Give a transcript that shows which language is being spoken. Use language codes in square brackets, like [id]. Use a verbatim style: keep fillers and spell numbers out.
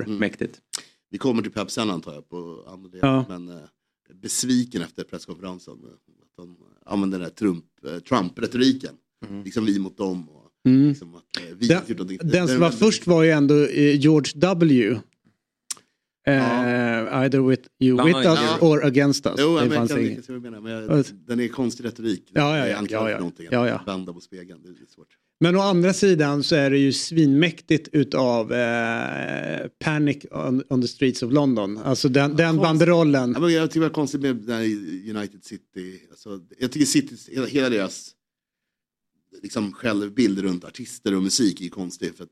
[sv] Mm. Mäktigt. Vi kommer till Pep sen antar jag på andra delen. Ja. Men eh, besviken efter presskonferensen. Att de använder den här Trump, eh, Trump-retoriken. Mm. Liksom vi mot dem. Och Mm. Liksom att, eh, vi den gjort någonting. den som var den, först var ju ändå eh, George W. [en] Uh, uh, either with you with us ja. or against us. [sv] Jo, jag kan inte se vad du menar, men jag, den är konstig retorik. Ja, ja, ja, ja, ja. ja, ja. Vända på spegeln, det är svårt. Men å andra sidan så är det ju svinmäktigt utav eh, Panic on, on the Streets of London. Alltså den, ja, den banderollen. Ja, men jag tycker det var konstigt med den United City. Alltså, jag tycker City, hela, hela deras liksom självbild runt artister och musik är konstigt.